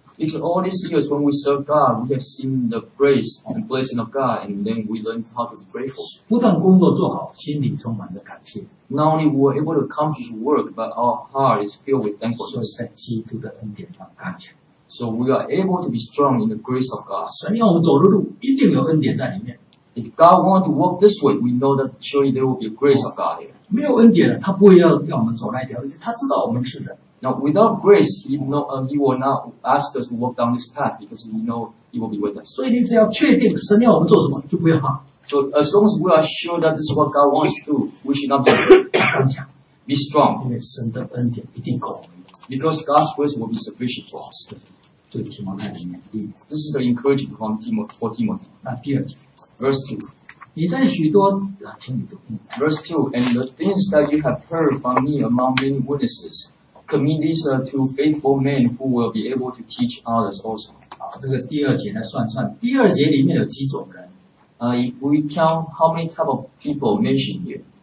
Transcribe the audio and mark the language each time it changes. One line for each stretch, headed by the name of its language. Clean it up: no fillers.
English: It's all these years when we serve God, we have seen the grace and blessing of God, and then we learn how to be grateful.
Chinese: 不但工作做好，心里充满着感谢。
English: Not only we are able to accomplish work, but our heart is filled with thankfulness.
Chinese: 在基督的恩典上刚强。
English: So we are able to be strong in the grace of God.
Chinese: 神要我们走的路，一定有恩典在里面。
English: If God wants to walk this way, we know that surely there will be grace of God here.
Chinese: 没有恩典，他不会要我们走那条路，他知道我们是人。
English: Now, without grace, he will not ask us to walk down this path because he knows he will be with us.
Chinese: 所以你只要确定神要我们做什么，就不要怕。
English: So as long as we are sure that this is what God wants to do, we should not be afraid. Be strong.
Chinese: 因为神的恩典一定够我们。
English: Because God's grace will be sufficient for us.
Chinese: 对提摩太的勉励。
English: This is the encouragement from Timothy.
Chinese: 那第二节。
English: Verse 2.
Chinese: 你在许多, 请你读,
English: Verse 2. And the things that you have heard from me among many witnesses, commit these to faithful men who will be able to teach others also.
Chinese: 这个第二节来算算。第二节里面有几种人?
English: If we count how many type of people mentioned here.